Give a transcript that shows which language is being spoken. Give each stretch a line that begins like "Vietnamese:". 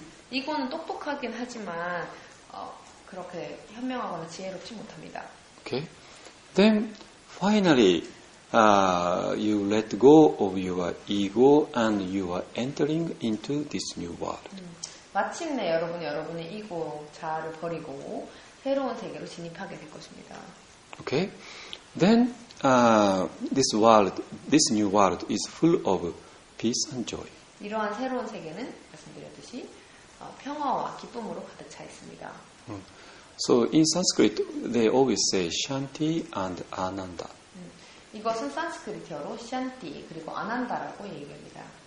Korean: ego는 똑똑하긴 하지만 그렇게 현명하거나 지혜롭지 못합니다.
English: Okay. Then finally you let go of your ego and you are entering into this new world.
Korean: 마침내 여러분이 여러분의 이고 자아를 버리고 새로운 세계로 진입하게 될 것입니다.
English: Okay. Then this world, this new world is full of peace and joy.
Korean: 이러한 새로운 세계는 말씀드렸듯이 평화와 기쁨으로 가득 차 있습니다.
English: So in Sanskrit they always say Shanti and Ananda.
Korean: 이것은 산스크리트어로 샨티 그리고 아난다라고 얘기합니다.